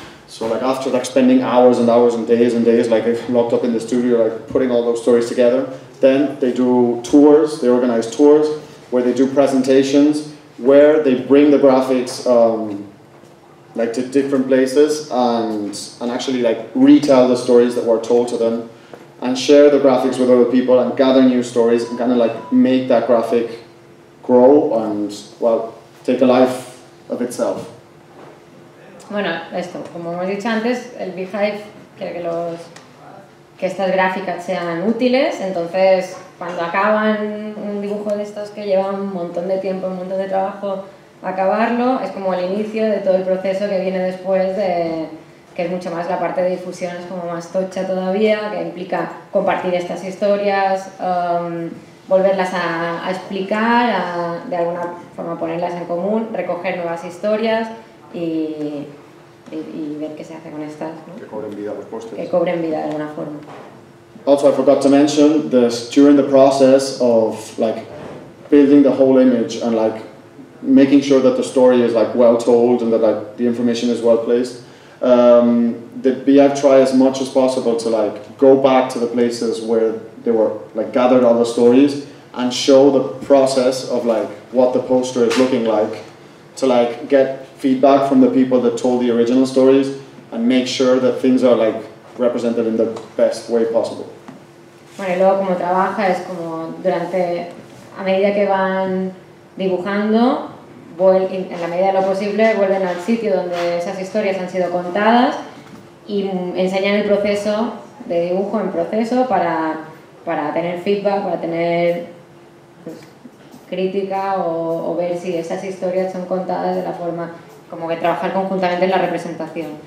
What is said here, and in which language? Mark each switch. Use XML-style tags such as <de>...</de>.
<en>So like after like spending hours and hours and days like locked up in the studio, like putting all those stories together, then they do tours, they organize tours where they do presentations, where they bring the graphics like to different places and actually like retell the stories that were told to them and share the graphics with other people and gather new stories and kind of like make that graphic grow and, well, take a life of itself.</en> <es>Bueno, esto, como hemos dicho antes, el Beehive quiere que los, que estas gráficas sean útiles, entonces cuando acaban un dibujo de estos que lleva un montón de tiempo, un montón de trabajo acabarlo, es como el inicio de todo el proceso que viene después, de, que es mucho más la parte de difusión, es como más tocha todavía, que implica compartir estas historias, volverlas a explicar, a, de alguna forma ponerlas en común, recoger nuevas historias y ver qué se hace con estas, ¿no? Que cobren vida los postres. Que cobren vida de alguna forma.</es> <en>Also, I forgot to mention that during the process of like building the whole image and like making sure that the story is like well told and that like the information is well placed, the Beehive try as much as possible to like go back to the places where they were like gathered all the stories and show the process of like what the poster is looking like to like get feedback from the people that told the original stories and make sure that things are like represented in the best way possible.</en> <es>Bueno, y luego como trabaja es como durante, a medida que van dibujando, en la medida de lo posible vuelven al sitio donde esas historias han sido contadas y enseñan el proceso de dibujo en proceso para tener feedback, para tener, pues, crítica o ver si esas historias son contadas de la forma, como que trabajar conjuntamente en la representación.</es>